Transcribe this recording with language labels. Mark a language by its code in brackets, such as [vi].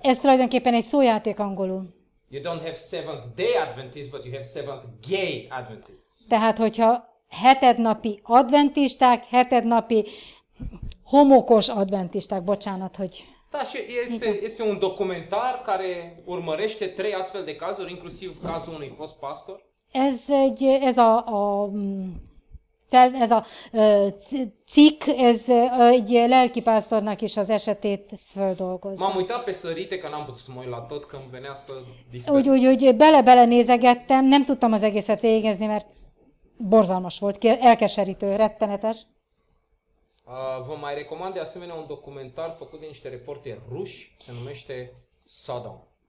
[hu] Ez tulajdonképpen egy szójáték angolul. [en] You don't have Seventh Day Adventists, but you have Seventh Gay Adventists. [hu] Tehát, hogyha hetednapi adventisták, hetednapi homokos adventisták, bocsánat, hogy... [ro] Da, și este un documentar care urmărește trei astfel de cazuri, inclusiv cazul unui fost pastor. [hu] Ez egy lelki pásztornak is az esetét földolgozza. [ro] M-am uitat pe sărite, că n-am putut să mă uit la tot, când venea să disperc. [hu] Úgy bele-bele nézegettem, nem tudtam az egészet végezni, mert borzalmas volt, elkeserítő, rettenetes. [ro] Vă mai recomand de asemenea un documentar făcut de niște reporteri ruși, se numește Sodom.